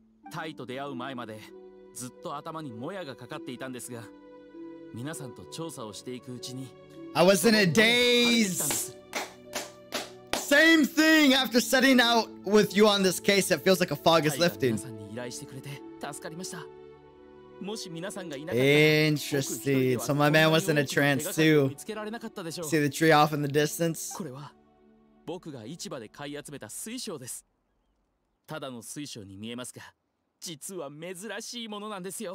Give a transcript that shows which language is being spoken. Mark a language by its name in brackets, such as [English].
[Japanese] タイと出会う前までずっと頭にモヤがかかっていたんですが、皆さんと調査をしていくうちに。 [English] I was in a daze. Same thing. After setting out with you on this case, it feels like a fog is lifting. [Japanese] 皆さんに依頼してくれて助かりました。もし皆さんがいなかった。 [English] Interesting. So my man was in a trance too. [Japanese] 見つけられなかったでしょう。 [English] See the tree off in the distance. [Japanese] これは僕が市場で買い集めた水晶です。ただの水晶に見えますが、実は珍しいものなんですよ。